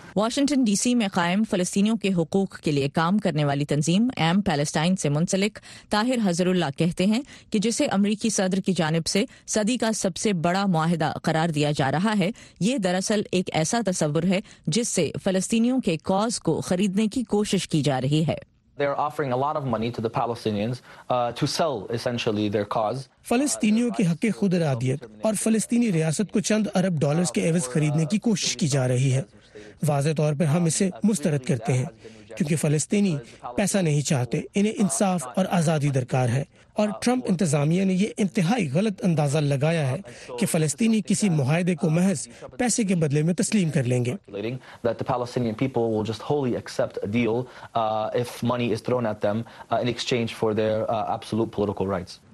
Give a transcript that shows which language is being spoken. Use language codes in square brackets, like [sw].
[ur] Washington D C میں قائم فلسطینیوں کے حقوق کے لیے کام کرنے والی تنظیم ایم پیلسٹائن سے منسلک طاہر حضر اللہ کہتے ہیں کہ جسے امریکی صدر کی جانب سے صدی کا سب سے بڑا معاہدہ قرار دیا جا رہا ہے، یہ دراصل ایک ایسا تصور ہے جس سے فلسطینیوں کے کاز کو خریدنے کی کوشش کی جا رہی ہے. [en] They are offering a lot of money to the Palestinians to sell essentially their cause. [ur] فلسطینیوں کے حق خود ارادیت اور فلسطینی ریاست کو چند ارب ڈالرز کے عوض خریدنے کی کوشش کی جا رہی ہے. واضح طور پر ہم اسے مسترد کرتے ہیں کیونکہ فلسطینی پیسہ نہیں چاہتے، انہیں انصاف اور آزادی درکار ہے، اور ٹرمپ انتظامیہ نے یہ انتہائی غلط اندازہ لگایا ہے کہ فلسطینی کسی معاہدے کو محض پیسے کے بدلے میں تسلیم کر لیں گے.